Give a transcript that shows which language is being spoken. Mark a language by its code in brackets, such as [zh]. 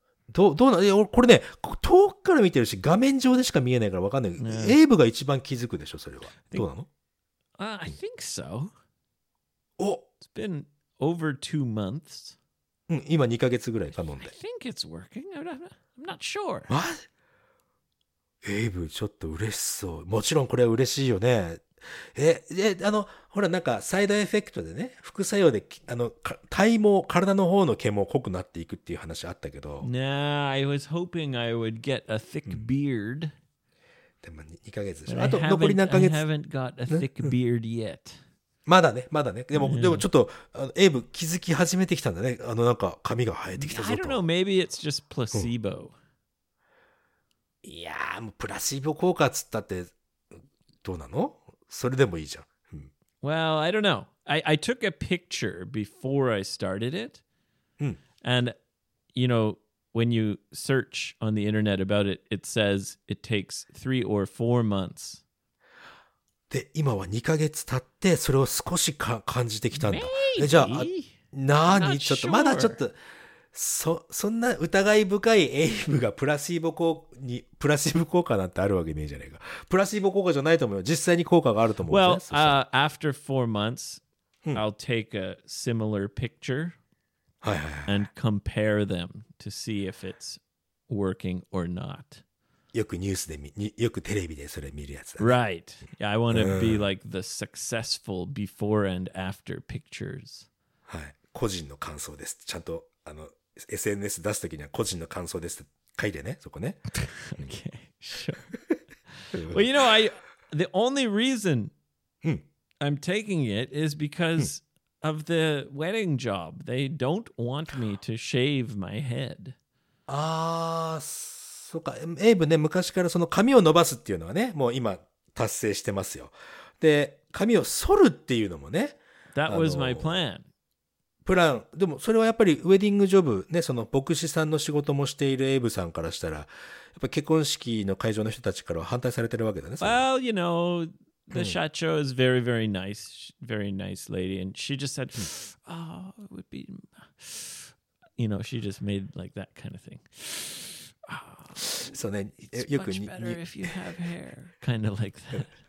[ja] どうなの？これね、遠くから見てるし、画面上でしか見えないからわかんない。エイブが一番気づくでしょ、それは。どうなの？ [en] I think so. お、 It's been over 2 months. [ja] 今2ヶ月ぐらい頼んで。 [en] I think it's working. I'm not sure. [ja] マジ？エイブちょっと嬉しそう。もちろんこれは嬉しいよね。あのほらなんかサイドエフェクトでね、副作用であの体毛、体の方の毛も濃くなっていくっていう話あったけど。 [en] Nah, I was hoping I would get a thick beard. [ja] でも2ヶ月でしょ。あと残り何ヶ月？ [en] I haven't got a thick beard yet. [ja] まだね、まだね。でもちょっとエイブ気づき始めてきたんだね。あのなんか髪が生えてきたぞと。 [en] I don't know. Maybe it's just placebo.、うん、 [ja] いやー、もうプラシーボ効果っつったってどうなの？それでもいいじゃん。 [en] Well, I don't know. I took a picture before I started it. And, you know, when you search on the internet about it, it says it takes 3 or 4 months. [ja] で、今は2ヶ月経ってそれを少しか感じてきたんだ。 [en] Maybe? [ja] じゃあ、なあに、ちょっと、まだちょっと、そんな疑い深いエイブがプラシーボ効果に、プラシーボ効果なんてあるわけねえじゃねえか。プラシーボ効果じゃないと思うよ。実際に効果があると思うぜ。 [en] Well, after 4 months, I'll take a similar picture. [ja] はいはいはい。 [en] And compare them to see if it's working or not. [ja] よくニュースで見、よくテレビでそれ見るやつだ。 [en] Right. I want to be like the successful before and after pictures. [ja] はい。個人の感想です。ちゃんと、あの、SNS 出すときには個人の感想ですって書いてね、そこね。 [en] Okay, sure. Well, you know, the only reason I'm taking it is because of the wedding job. They don't want me to shave my head. [ja] ああ、そうか。エイブね、昔からその髪を伸ばすっていうのはね、もう今達成してますよ。で、髪を剃るっていうのもね。 [en] That was my plan. [ja] プラン。でもそれはやっぱりウェディングジョブね、その牧師さんの仕事もしているエイブさんからしたら、やっぱ結婚式の会場の人たちからは反対されてるわけだね。 [en] Well, you know... The Shacho is very, very nice. Very nice lady. And she just said, oh, it would be... You know, she just made like that kind of thing. Oh, so then, it's much better if you have hair. Kind of like that.